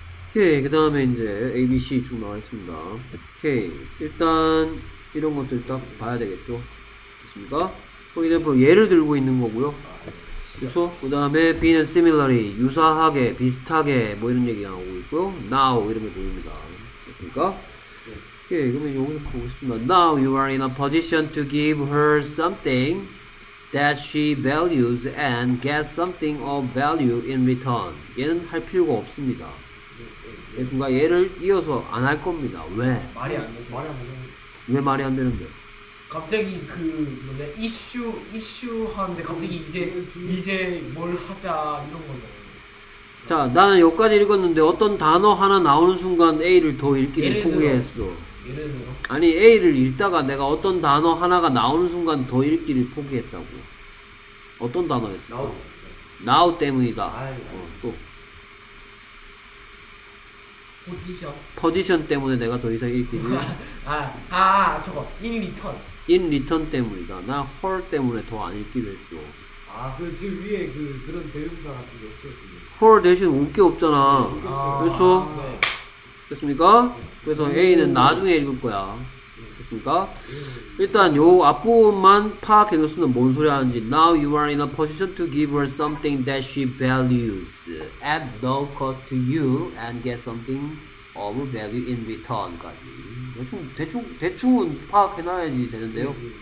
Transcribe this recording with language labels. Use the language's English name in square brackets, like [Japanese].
[Korean] 오케이 그 다음에 이제 ABC 쭉 나와 있습니다. 오케이 일단 이런 것들 딱 봐야 되겠죠. 됐습니까? 거기다 예를 들고 있는 거고요. 그래서 그 다음에 [English] been similarly [Korean] 유사하게 비슷하게 뭐 이런 얘기 나오고 있고요. Now 이런 게 보입니다. 됐습니까? 예, 그러면 여기서 보겠습니다. [English] Now you are in a position to give her something that she values and get something of value in return. [Korean] 얘는 할 필요가 없습니다. 누가 얘를 이어서 안 할 겁니다. 왜? 말이 안 돼서. 말이 안 돼서. 왜 말이 안 되는데? 갑자기 그 뭐냐 이슈 하는데 갑자기 이제 뭘 하자 이런 건데. 자, 나는 여기까지 읽었는데 어떤 단어 하나 나오는 순간 A를 더 읽기를 포기했어. 아니 A를 읽다가 내가 어떤 단어 하나가 나오는 순간 더 읽기를 포기했다고. 어떤 단어였어? Now 때문이다. 또 포지션 때문에 내가 더 이상 읽기를 저거 인 리턴 때문이다. 나 헐 때문에 더 안 읽기로 했죠. 아, 그 지금 위에 그런 대용사 같은 게 없었어요. 헐 대신 올 게 없잖아. 그렇죠? 됐습니까? 그래서 A는 나중에 읽을 거야. 됐습니까? 일단 요 앞부분만 파악해 놓으면 뭔 소리 하는지. [English] Now you are in a position to give her something that she values at no cost to you and get something of value in return까지. [Korean] 대충은 파악해 놔야지 되는데요.